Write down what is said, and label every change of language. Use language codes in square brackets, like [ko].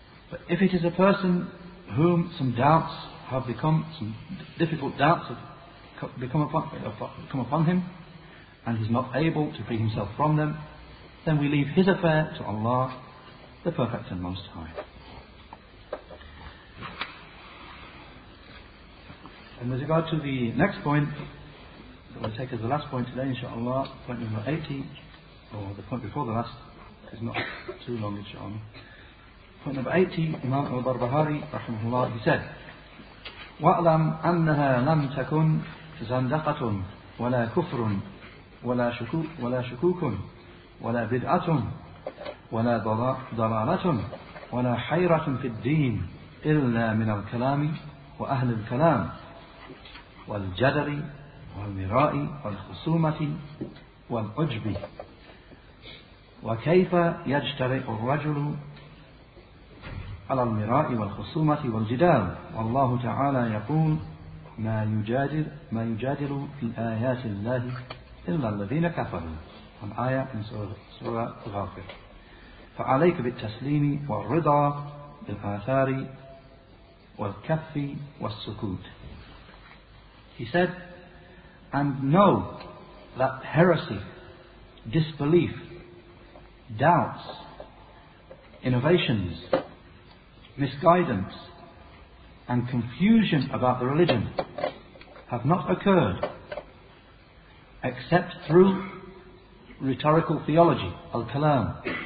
[en] But if it is a person whom some doubts have become, some difficult doubts have come upon him, and he's not able to free himself from them, then we leave his affair to Allah, the Perfect and Most High. And with regard to the next point, that we'll take as the last point today, inshaAllah, point number 80, or the point before the last, because not too long, inshaAllah. Point number 80, Imam al-Barbahari, rahimahullah, he said, [ar] وَأَلَمْ أَنَّهَا لَمْ تَكُنْ زَنْدَقَةٌ وَلَا كُفْرٌ وَلَا شُكُوكٌ وَلَا بِدْعَةٌ وَلَا ضَلَالَةٌ وَلَا حَيْرَةٌ فِي الدِّينِ إِلَّا مِنَ الْكَلَامِ وَأَهْلِ الْكَلَامِ والجدري والمراء والخصومة والعجب. وكيف يجترئ الرجل على المراء والخصومة والجدال؟ والله تعالى يقول ما يجادل في آيات الله إلا الذين كفروا. الآية من سورة الغافر. فعليك بالتسليم والرضا بالآثار والكف والسكوت. [en] He said, and know that heresy, disbelief, doubts, innovations, misguidance, and confusion about the religion have not occurred except through rhetorical theology, al-kalam,